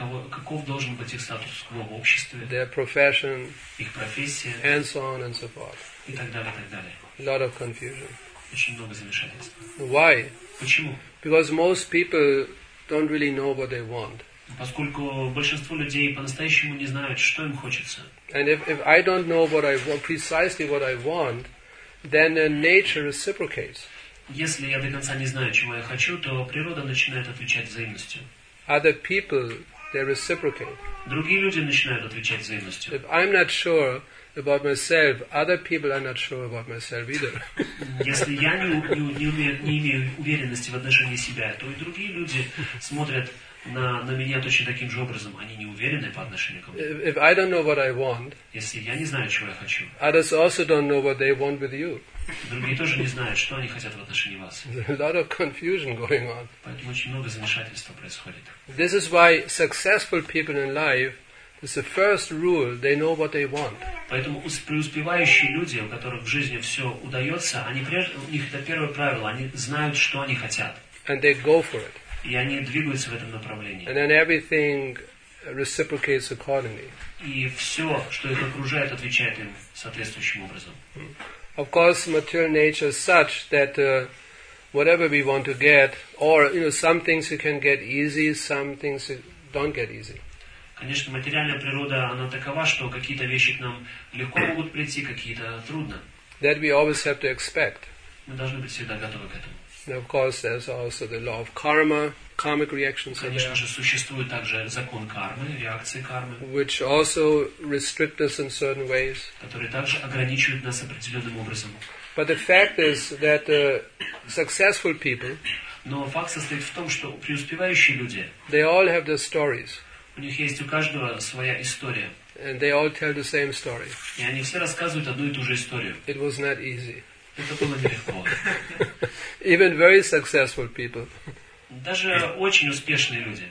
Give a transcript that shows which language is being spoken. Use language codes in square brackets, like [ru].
[ru] каков должен быть их статус-кво в обществе, [en] their profession, [ru] их профессия, [en] and so on and so forth. [ru] И так далее, так далее. [en] A lot of confusion. [ru] Очень много замешательства. [en] Why? [ru] Почему? [en] Because most people don't really know what they want. [ru] Поскольку большинство людей по-настоящему не знают, что им хочется. [en] And if I don't know what I want, precisely what I want, then nature reciprocates. [ru] Если я до конца не знаю, чего я хочу, то природа начинает отвечать взаимностью. [en] Other people, they reciprocate. [ru] Другие люди начинают отвечать взаимностью. [en] If I'm not sure about myself, other people are not sure about myself either. [ru] Если я не имею уверенности в отношении себя, то и другие люди смотрят на меня точно таким же образом. Они не уверены по отношению ко мне. [en] If I don't know what I want, [ru] если я не знаю, чего я хочу, [en] others also don't know what they want with you. [ru] Другие тоже не знают, что они хотят в отношении вас. [en] There's a lot of confusion going on. [ru] Поэтому очень много замешательства происходит. [en] This is why successful people in life, it's the first rule, they know what they want. [ru] Поэтому преуспевающие люди, у которых в жизни все удается, у них это первое правило, они знают, что они хотят. [en] And they go for it. [ru] И они двигаются в этом направлении. [en] And then everything reciprocates accordingly. [ru] И все, что их окружает, отвечает им соответствующим образом. [en] Of course, material nature is such that whatever we want to get, or you know, some things you can get easy, some things you don't get easy. [ru] Конечно, материальная природа она такова, что какие-то вещи к нам легко могут прийти, какие-то трудно. [en] That we always have to expect. [ru] Мы должны быть всегда готовы к этому. [en] And of course, there's also the law of karma, karmic reactions. [ru] Конечно же, существует также закон кармы, реакции кармы, [en] which also restrict us in certain ways, [ru] которые также ограничивают нас определенным образом. [en] But the fact is that successful people, [ru] но факт состоит в том, что преуспевающие люди, [en] they all have their stories. [ru] У них есть у каждого своя история. [en] And they all tell the same story. [ru] И они все рассказывают одну и ту же историю. [en] It was not easy. [ru] Это было нелегко. [en] Even very successful people. [ru] Даже очень успешные люди.